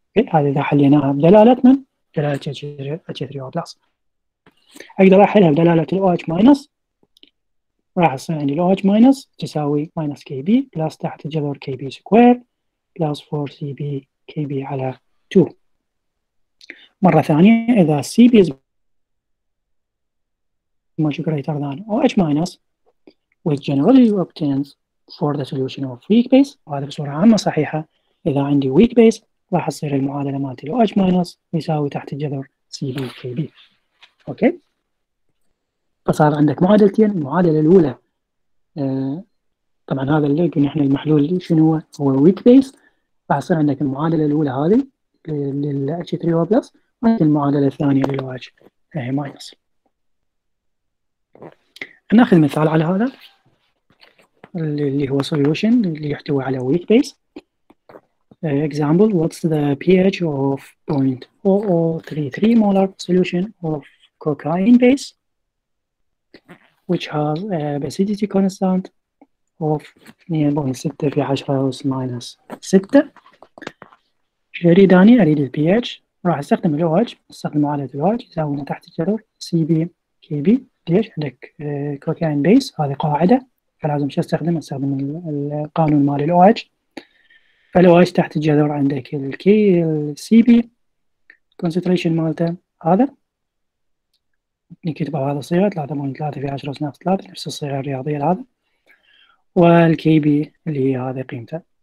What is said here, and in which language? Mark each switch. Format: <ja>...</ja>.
<ar>هذه إذا حليناها بدلالتنا دلالة H3O plus. أقدر أحلها بدلالة الـ OH minus، راح يصير عندي الـ OH minus تساوي minus Kb plus تحت الجذر Kb square plus 4Cb Kb على 2.</ar> <en>مرة ثانية إذا Cb is much greater than OH minus which generally obtains for the solution of weak base.</en> <ar>وهذا بصورة عامة صحيحة، إذا عندي weak base راح تصير المعادلة مالتي OH minus يساوي تحت الجذر CB KB. أوكي، فصار عندك معادلتين. المعادلة الأولى طبعا هذا اللي قلنا احنا المحلول شنو هو؟ هو weak base. راح تصير عندك المعادلة الأولى هذه لل H3O plus والمعادلة الثانية لل OH minus. ناخذ مثال على هذا اللي هو solution اللي يحتوي على weak base.</ar> <en>Example: what's the pH of 0.0033 molar solution of cocaine base which has a basicity constant of 2.6 في 10 أس minus 6.</en> <ar>يريداني أريد ال pH، راح استخدم ال OH، استخدم معادلة ال OH يساوي تحت الجذر CB KB. ليش؟ عندك كوكاين بيس هذه قاعدة، فلازم شو استخدم؟ استخدم القانون مال الأو اتش. فالأو اتش تحت الجذر عندك الكي السي بي كونسنتريشن مالته هذا نكتبه بهذا الصيغة 3.3 في 10 ناقص 3 نفس الصيغة الرياضية هذا، والكي بي اللي هي هذه قيمته.</ar>